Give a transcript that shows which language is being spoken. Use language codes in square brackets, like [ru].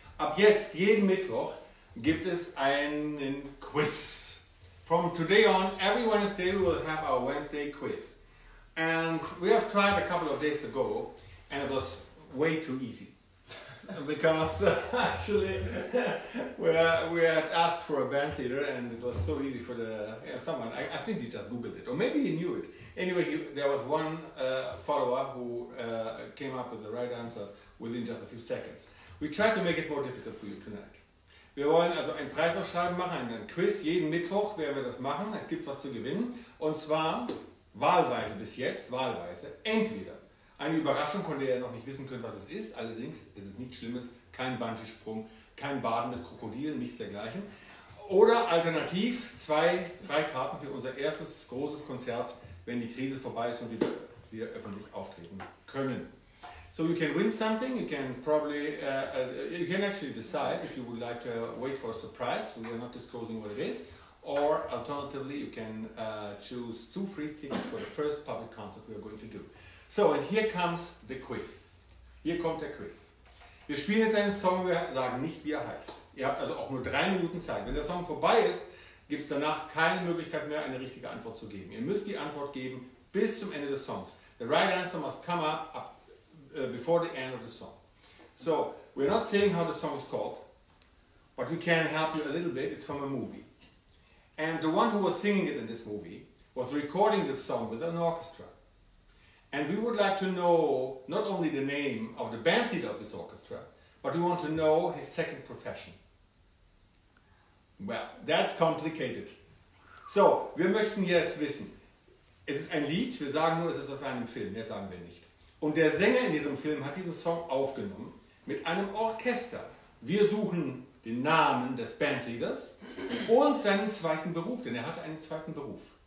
[de] Ab jetzt, jeden Mittwoch, gibt es einen Quiz. [en] From today on, every Wednesday we will have our Wednesday quiz. And we have tried a couple of days ago and it was way too easy. Because actually we had asked for a band theater and it was so easy for the, someone, I think he just Googled it, or maybe he knew it. Anyway, there was one follower who came up with the right answer within just a few seconds. We try to make it more difficult for you tonight. [de] Wir wollen also ein Preisausschreiben machen, einen Quiz. Jeden Mittwoch werden wir das machen. Es gibt was zu gewinnen. Und zwar wahlweise bis jetzt, wahlweise, entweder eine Überraschung, von der ihr noch nicht wissen könnt, was es ist. Allerdings ist es nichts Schlimmes. Kein Bungee-Sprung, kein Baden mit Krokodilen, nichts dergleichen. Oder alternativ zwei Freikarten für unser erstes großes Konzert, wenn die Krise vorbei ist und wir öffentlich auftreten können. [en] So you can win something, you can probably, you can actually decide if you would like to wait for a surprise, we are not disclosing what it is, or alternatively you can choose two free tickets for the first public concert we are going to do. So, and here comes the quiz. [de] Hier kommt der Quiz. Wir spielen jetzt einen Song, wir sagen nicht, wie er heißt. Ihr habt also auch nur 3 Minuten Zeit. Wenn der Song vorbei ist, gibt es danach keine Möglichkeit mehr, eine richtige Antwort zu geben. Ihr müsst die Antwort geben bis zum Ende des Songs. [en] The right answer must come up before the end of the song. So, we're not saying how the song is called, but we can help you a little bit. It's from a movie. And the one who was singing it in this movie was recording this song with an orchestra. And we would like to know not only the name of the band leader of this orchestra, but we want to know his second profession. Well, that's complicated. [de] So, wir möchten jetzt wissen, es ist ein Lied, wir sagen nur, es ist aus einem Film, mehr sagen wir nicht. Und der Sänger in diesem Film hat diesen Song aufgenommen mit einem Orchester. Wir suchen den Namen des Bandleaders und seinen zweiten Beruf, denn er hatte einen zweiten Beruf.